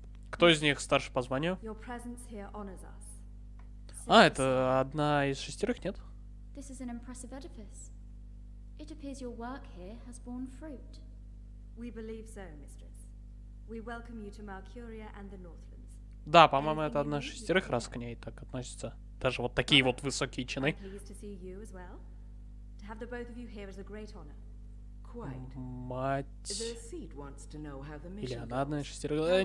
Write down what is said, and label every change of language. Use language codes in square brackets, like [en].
[ru] Кто из них старше по званию? [en] Your presence here honors us. [ru] А, это одна из шестерых, нет? [en] This is an impressive edifice. It appears your work here has borne fruit. We believe so, mistress. We welcome you to Malkuria and the Northlands. [ru] Да, по-моему, это одна из шестерых, раз к ней так относится. Даже вот такие вот высокие чины. [en] I'm pleased to see you as well. To have the both of you here is a great honor. [ru] Мать. Или она одна из шестерых.